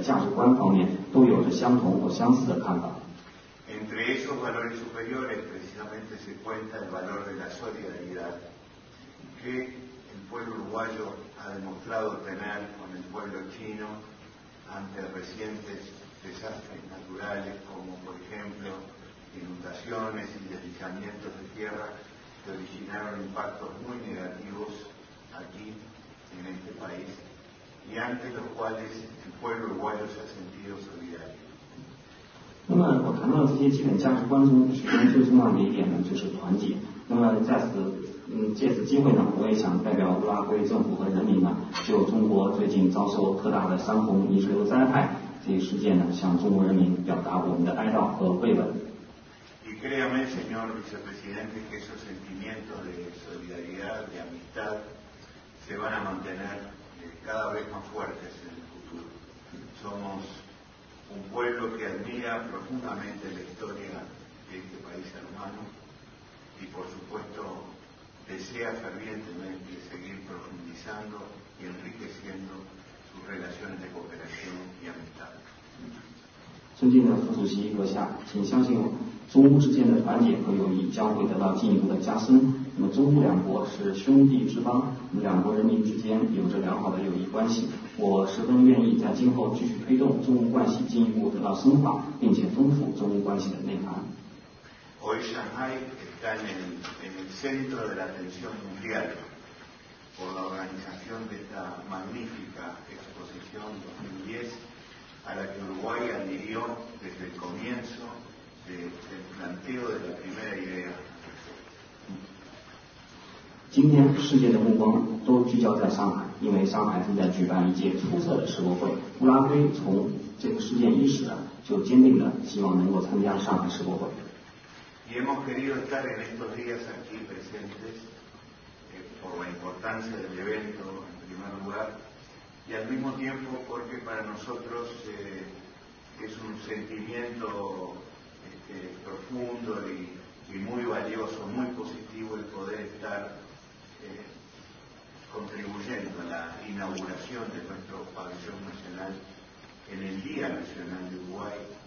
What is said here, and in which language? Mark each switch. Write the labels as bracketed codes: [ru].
[es] chino. [zh] 此次访问呢，我还带来了拉圭政府，尤其是我们穆西加总统的问候。中乌两国人民之间在许多基本的价值观方面都有着相同和相似的看法。 [es] Entre esos valores superiores precisamente se cuenta el valor de la solidaridad que el pueblo uruguayo ha demostrado tener con el pueblo chino ante recientes desastres naturales como por ejemplo inundaciones y deslizamientos de tierra que originaron impactos muy negativos aquí en este país y ante los cuales el pueblo uruguayo se ha sentido solidario. [zh] 那么我谈到的这些基本价值观中，首先最重要的一点呢，就是团结。那么在此，借此机会呢，我也想代表乌拉圭政府和人民呢，就中国最近遭受特大的山洪泥石流灾害这一事件呢，向中国人民表达我们的哀悼和慰问。 [es] Y créame, señor vicepresidente, que esos sentimientos de solidaridad, de amistad, se van a mantener cada vez más fuertes en el futuro. Somos un pueblo que admira profundamente la historia de este país hermano y, por supuesto, desea fervientemente seguir profundizando y enriqueciendo sus relaciones de cooperación y amistad. [zh] 尊敬的副主席阁下，请相信我，中乌之间的团结和友谊将会得到进一步的加深。那么中乌两国是兄弟之邦，我们两国人民之间有着良好的友谊关系，我十分愿意在今后继续推动中乌关系进一步得到深化，并且丰富中乌关系的内涵。 [es] Hoy Shanghai está en el centro de la atención mundial por la organización de esta magnífica exposición 2010 a la que Uruguay adhirió desde el comienzo del planteo de la primera idea. [zh] 今天世界的目光都聚焦在上海，因为上海正在举办一届出色的世博会。乌拉圭从这个事件伊始呢，就坚定的希望能够参加上海世博会。 [es] Y hemos querido estar en estos días aquí presentes por la importancia del evento en primer lugar y al mismo tiempo porque para nosotros es un sentimiento profundo y muy valioso, muy positivo el poder estar contribuyendo a la inauguración de nuestro pabellón nacional en el Día Nacional de Uruguay.